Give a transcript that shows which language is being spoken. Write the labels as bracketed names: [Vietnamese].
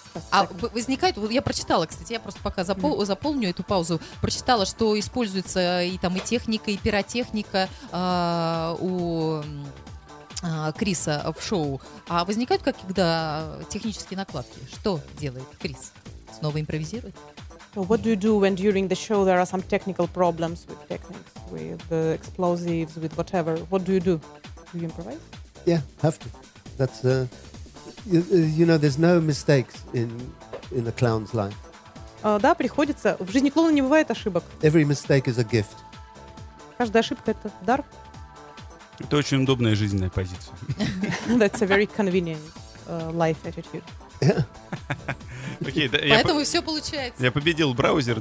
[Russian] А возникает, я прочитала, кстати, я просто пока заполню эту паузу, прочитала, что используется и там и техника, и пиротехника у Криса в шоу. А возникают как когда технические накладки? Что делает Крис? Снова импровизирует? [English] So what do you do when during the show there are some technical problems with techniques, with the explosives, with whatever? What do you do? Do you improvise? Yeah, have to. That's you know, there's no mistakes in a clown's life. [Russian] Да, приходится. В жизни клоуна не бывает ошибок. [English] Every mistake is a gift. [Russian] Каждая ошибка — это дар. Это очень удобная жизненная позиция. [English] That's a very convenient life attitude. Yeah. Okay, [Russian] да, поэтому все получается. Я победил браузер.